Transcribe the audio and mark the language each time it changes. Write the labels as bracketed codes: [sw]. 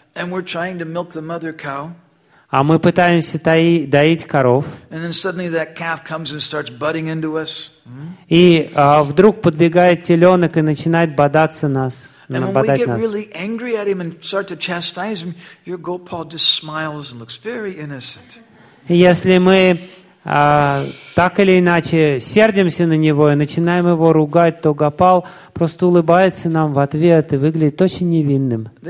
[en] And we're trying to milk the mother cow. [ru] А мы пытаемся доить коров. [en] And then suddenly that calf comes and starts butting into us. [ru] И вдруг подбегает теленок и начинает бодаться нас. [en] And when we get really angry at him and start to chastise him, your Gopal just smiles and looks very innocent. [ru] Если мы так или иначе сердимся на него и начинаем его ругать, то Гопал просто улыбается нам в ответ и выглядит очень невинным.